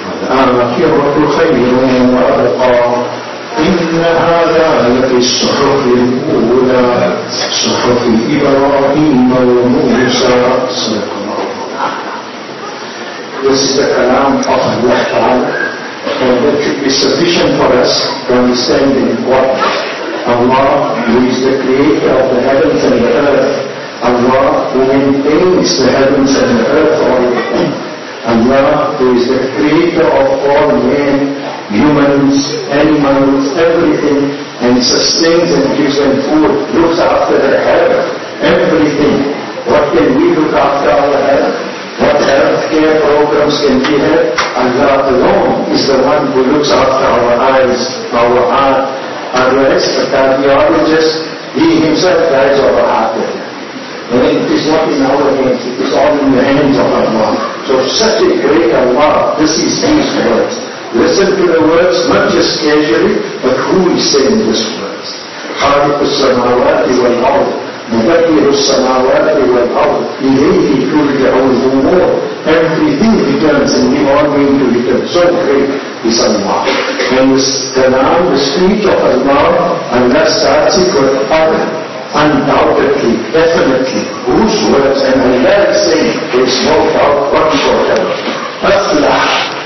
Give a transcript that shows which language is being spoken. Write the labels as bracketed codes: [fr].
[ar] والآخرة خير وأبقى إن هذا لفي الصحف الأولى صحف إبراهيم وموسى. [en] This is the Kalam of Allah Ta'ala, and that should be sufficient for us to understand in what Allah, who is the creator of the heavens and the earth, Allah, who maintains the heavens and the earth all the time, Allah, who is the creator of all men, humans, animals, everything, and sustains and gives them food, looks after their health, everything. What can we look after our health? What health care programs can we have? Allah alone is the one who looks after our eyes, our heart. Otherwise, a cardiologist, he himself dies of a heart attack. It is not in our hands, it is all in the hands of Allah. So such a great Allah, this is these words. Listen to the words, not just casually, but who is saying these words? [ar] خالق السماوات والأرض مدبر السماوات والأرض إليه ترجع الأمور. [en] Everything returns and we are going to return. So great is Allah. And this Kalam, the speech of Allah, Allah starts it with Allah. Undoubtedly, definitely, whose words and Allah is saying, there is no doubt whatsoever. Aflah.